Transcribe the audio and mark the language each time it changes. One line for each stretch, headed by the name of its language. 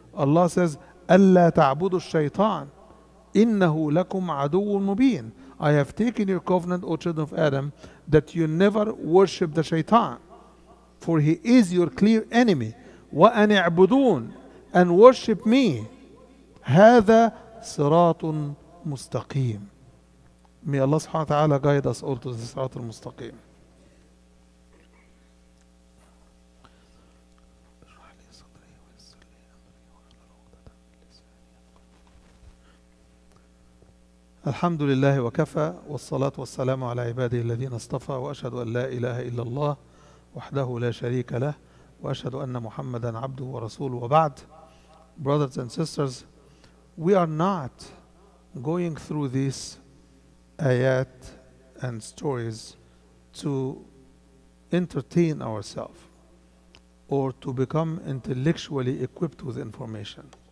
English: Allah says,
Arabic: أَلَّا تَعْبُدُ الشَّيْطَانِ إِنَّهُ لَكُمْ عَدُوٌ مُبِينٌ.
English: I have taken your covenant, O children of Adam, that you never worship the shaitan, for he is your clear enemy.
Arabic: وَأَنِ اعْبُدُونَ.
English: And worship me.
Arabic: هذا صراط مستقيم.
English: May Allah subhanahu wa ta'ala guide us all to the
Arabic: صراط المستقيم. الحمد لله وكفى والصلاة والسلام على عباده الذين اصطفى وأشهد أن لا إله إلا الله وحده لا شريك له وأشهد أن محمدا عبده ورسوله وبعد.
English: Brothers and sisters, we are not going through these ayat and stories to entertain ourselves. or to become intellectually equipped with information.